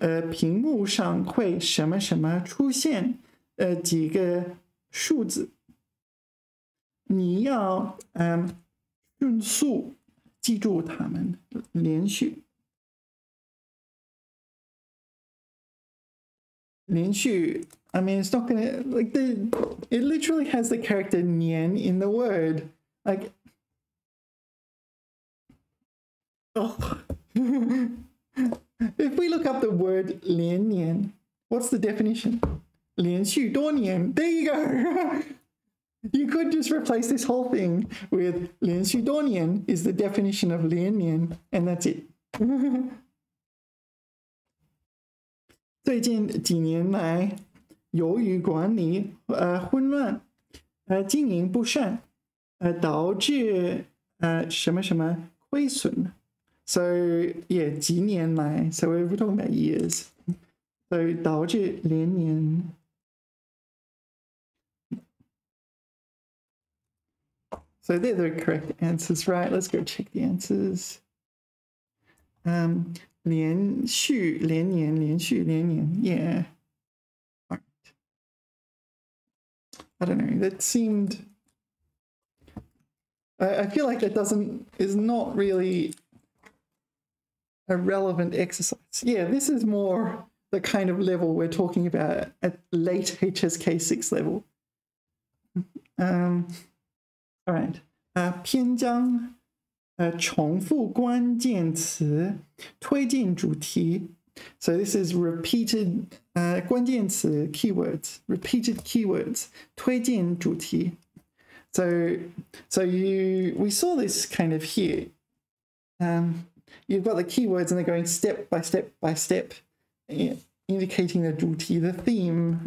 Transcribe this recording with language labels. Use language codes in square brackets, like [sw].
[zh] 屏幕上会什么什么出现, 几个数字. 你要, 迅速记住它们, 连续. [en] 连续, I mean, it's not gonna, like, the, it literally has the character 年 in the word. Like, oh. If we look up the word 连年, what's the definition? [zh] 连续多年, [en] there you go. You could just replace this whole thing with 连续多年 is the definition of 连年, and that's it. [zh] 最近几年来, 由于管理, 混乱, 经营不善, 导致, 什么什么, 亏损. [en] So, yeah, 几年来, so we're talking about years. So, 导致连年. So, they're the correct answers, right? Let's go check the answers. [zh] 连续, 连年, 连续, 连年, yeah. [en] I don't know, that seemed I feel like that is not really a relevant exercise. Yeah, this is more the kind of level we're talking about at late HSK6 level. All right. [zh] 篇章, 重复关键词, 推进主题. [en] So this is repeated 关键词, keywords, repeated keywords, [zh] 推进主题. [en] So we saw this kind of here. You've got the keywords and they're going step by step by step, indicating the 主题, the theme.